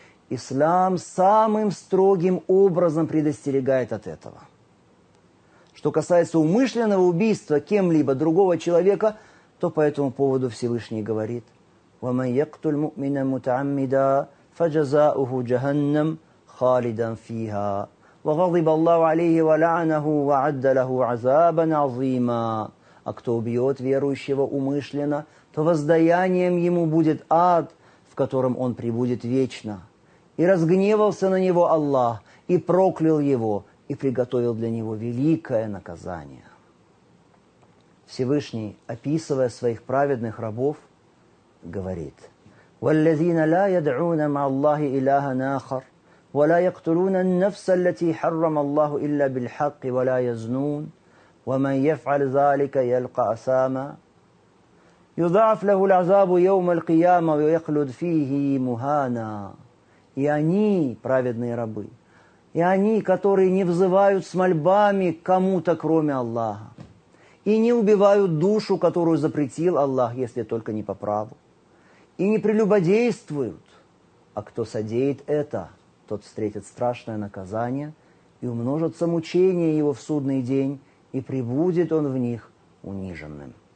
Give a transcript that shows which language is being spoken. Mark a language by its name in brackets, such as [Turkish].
[Russian] Ислам самым строгим образом предостерегает от этого. Что касается умышленного убийства кем-либо другого человека, то по этому поводу Всевышний говорит: [Arabic] «Ва йактуль му'мина мутааммида фаджазауху джаханнам халидан фиха». وغضب الله عليه ولعنه وعد له عذابا عظيما. [Russian] А кто убьет верующего умышленно, то воздаянием ему будет ад, в котором он пребудет вечно. И разгневался на него Аллах, и проклял его, и приготовил для него великое наказание. Всевышний, описывая своих праведных рабов, говорит: [Arabic] والذين لا يدعون مع الله إلها آخر ولا يقتلون النفس التي حرم الله إلا بالحق ولا يزنون ومن يفعل ذلك يلقى أثاما يضاعف له العذاب يوم القيامة ويخلد فيه مهانا. [Russian] И они, праведные рабы, И они, которые не взывают с мольбами к кому-то, кроме Аллаха. И не убивают душу, которую запретил Аллах, если только не по праву. И не прелюбодействуют. А кто содеет это, тот встретит страшное наказание, и умножится мучение его в судный день, и пребудет он в них униженным.